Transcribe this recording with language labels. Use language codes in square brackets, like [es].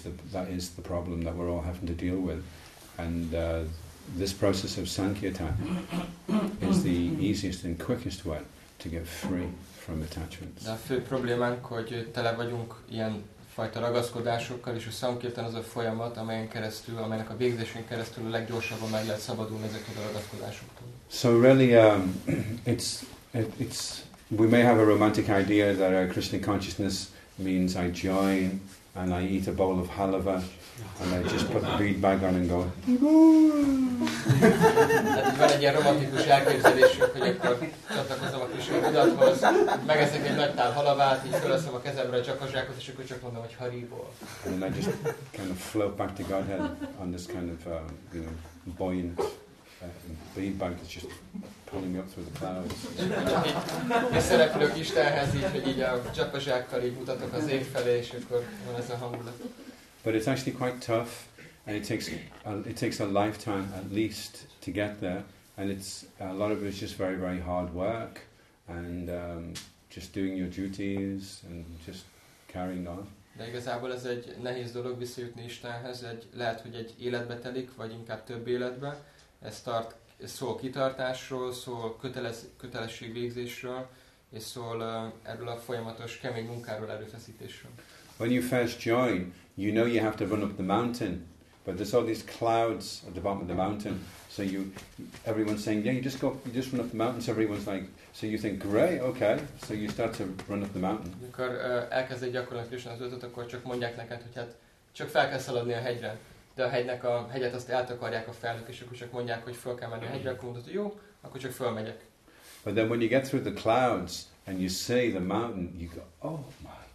[en] That is the problem that we're all having to deal with. And this process of Sankirtan is the easiest and quickest way to get free from attachments. [hu] De a fő problémánk, hogy tele vagyunk ilyen fajta ragaszkodásokkal, és a szankirtan az a folyamat, amelyen keresztül, amelynek a végzésén keresztül a leggyorsabban meg lehet szabadulni ezeket a ragaszkodásoktól. [en] So really, it's we may have a romantic idea that our Krishna consciousness means I join and I eat a bowl of halva and I just put the bead bag on and go. [hu] Van egy ilyen romantikus elképzelésünk, hogy akkor csatlakozom a Krishna tudathoz, megeszek egy nagy tál halavát, így felveszem a kezemre a csakazsákot, és akkor csak mondom, hogy Haribol. [en] And then I just kind of float back to Godhead on this kind of buoyant bead bag that's just pulling me up through the clouds. [hu] És szereplők Istenhez így, hogy így a csakazsákkal így mutatok az ég felé, és akkor van ez a hangulat. [en] But it's actually quite tough, and it takes a lifetime at least to get there, and it's a lot of it is just very, very hard work, and just doing your duties and just carrying on. [hu] De igazából ez egy nehéz dolog visszajutni Istenhez, egy lehet, hogy egy életbe telik, vagy inkább több életbe. Ez tart, szól kitartásról, szól kötelesség végzésről, és szól erről a folyamatos kemény munkáról, erőfeszítésről. [en] When you first join, you know you have to run up the mountain, but there's all these clouds at the bottom of the mountain. So everyone's saying, yeah, you just run up the mountain. So everyone's like, so you think, great, okay. So you start to run up the mountain. [hu] Amikor elkezded gyakorolni Krisna tudatot, akkor csak mondják neked, hogy hát csak fel kell szaladni a hegyre, de a hegynek a hegyet azt eltakarják a felhők, és akkor csak mondják, hogy fel kell menni a hegyre, akkor mondod, jó, akkor csak fölmegyek. [en] But then when you get through the clouds and you see the mountain, you go, oh my.